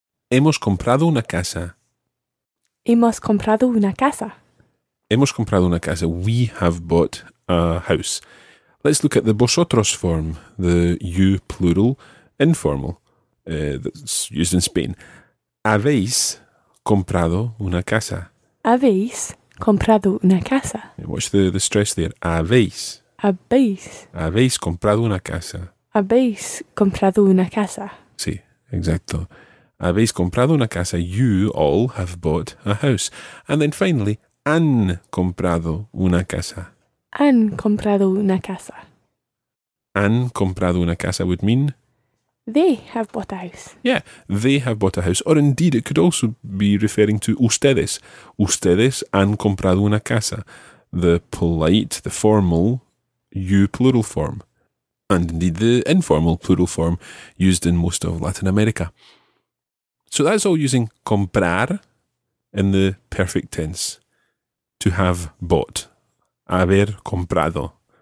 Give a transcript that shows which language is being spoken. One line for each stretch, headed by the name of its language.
Spanish: Hemos comprado una casa. Hemos comprado una casa. Hemos comprado una casa.
English: We have bought a house. Let's look at the vosotros form, the you plural informal that's used in Spain.
Spanish: Habéis comprado una casa. Habéis comprado una casa.
English: Watch the stress there. Habéis.
Spanish: Habéis. Habéis comprado una casa. Habéis comprado una casa. Sí, exacto. Habéis comprado una casa.
English: You all have bought a house. And then finally,
Spanish: han comprado una casa. Han comprado una casa. Han comprado una casa
English: would mean? They have bought a house. Yeah, they have bought a house. Or indeed, it could also be referring to ustedes.
Spanish: Ustedes han comprado una casa.
English: The polite, the formal, you plural form. And indeed, the informal plural form used in most of Latin America. So that's all using comprar in the perfect tense. To have bought.
Spanish: Haber comprado.